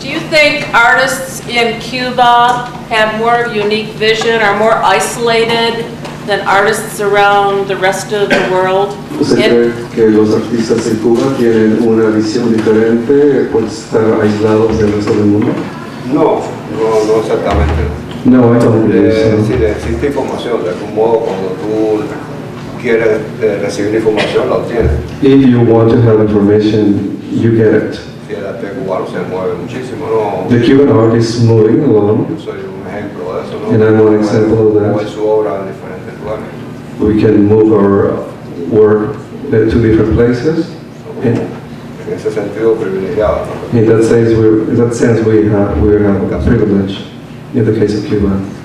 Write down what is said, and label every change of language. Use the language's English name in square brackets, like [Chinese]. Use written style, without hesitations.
[English] Do you think artists in Cuba have more unique vision, are more isolated than artists around the rest of the world? [Spanish] Que los artistas en Cuba tienen una visión diferente por estar aislados del resto del mundo? No exactamente. [English] No, I don't believe so. [Spanish] Existe información, de algún modo, cuando tú quieres recibir información, la obtienes. [English] If you want to have information, you get it. [Spanish] El arte cubano se mueve muchísimo, ¿no? [English] The Cuban art is moving along. [Spanish] Yo soy un [English] And I'm one example of that. We can move our work to different places. In that sense, we have a privilege in the case of Cuba.